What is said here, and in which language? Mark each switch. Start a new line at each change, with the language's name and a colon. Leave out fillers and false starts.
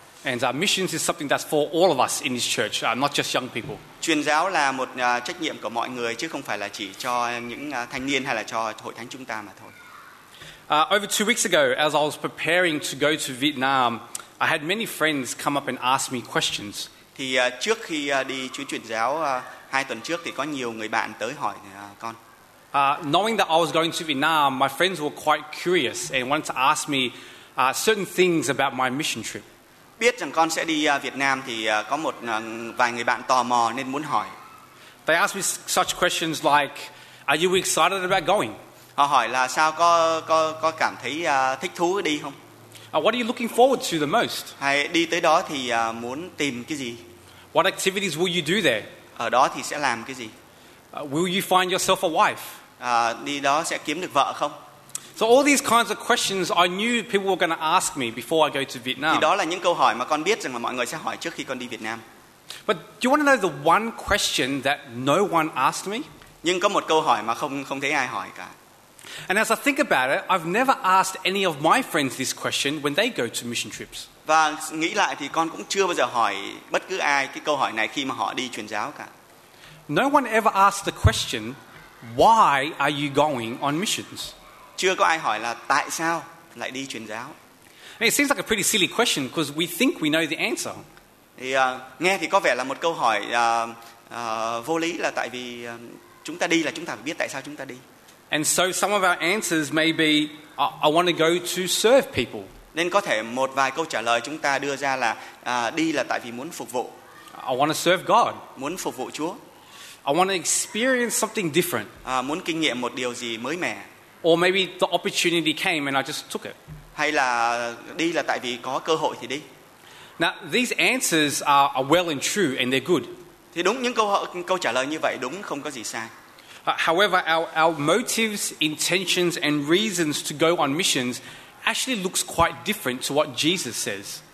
English: And missions is something that's for all of us in this church, not just young people.
Vietnamese: Truyền giáo là một trách nhiệm của mọi người, chứ không phải là chỉ cho những thanh niên hay là cho hội thánh chúng ta mà thôi.
English: Over 2 weeks ago, as I was preparing to go to Vietnam, I had many friends come up and ask me questions.
Vietnamese: Thì trước khi đi chuyến truyền giáo 2 tuần trước thì có nhiều người bạn tới hỏi con.
English: Knowing that I was going to Vietnam, my friends were quite curious and wanted to ask me certain things about my mission trip.
Vietnamese: Biết rằng con sẽ đi Việt Nam thì có một vài người bạn tò mò nên muốn hỏi.
English: They asked me such questions like, "Are you excited about going?"
Vietnamese: Họ hỏi là sao có cảm thấy thích thú đi không?
English: What are you looking forward to the most?
Vietnamese: Hay đi tới đó thì muốn tìm cái gì?
English: What activities will you do there?
Vietnamese: Ở đó thì sẽ làm cái gì?
English: Will you find yourself a wife?
Vietnamese: Đi đó sẽ kiếm được vợ không?
English: So all these kinds of questions I knew people were going to ask me before I go to Vietnam.
Vietnamese: Thì đó là những câu hỏi mà con biết rằng là mọi người sẽ hỏi trước khi con đi Việt Nam.
English: But do you want to know the one question that no one asked me?
Vietnamese: Nhưng có một câu hỏi mà không thấy ai hỏi cả.
English: And as I think about it, I've never asked any of my friends this question when they go to mission trips.
Vietnamese: Và nghĩ lại thì con cũng chưa bao giờ hỏi bất cứ ai cái câu hỏi này khi mà họ đi truyền giáo cả.
English: No one ever asked the question, why are you going on missions?
Vietnamese: Chưa có ai hỏi là tại sao lại đi truyền giáo.
English: It seems like a pretty silly question because we think we know the answer.
Vietnamese: Nghe thì có vẻ là một câu hỏi vô lý, là tại vì chúng ta đi là chúng ta phải biết tại sao chúng ta đi.
English: And so some of our answers may be, I want to go to serve people.
Vietnamese: Nên có thể một vài câu trả lời chúng ta đưa ra là đi là tại vì muốn phục vụ.
English: I want to serve God.
Vietnamese: Muốn phục vụ Chúa.
English: I want to experience something different.
Vietnamese: Muốn kinh nghiệm một điều gì mới mẻ.
English: Or maybe the opportunity came and I just took it.
Vietnamese: Hay là đi là tại vì có cơ hội thì đi.
English: Now these answers are well and true and they're good.
Vietnamese: Thì đúng, những câu trả lời như vậy đúng, không có gì sai.
English: However, our motives, intentions and reasons to go on missions actually looks quite different to what Jesus says.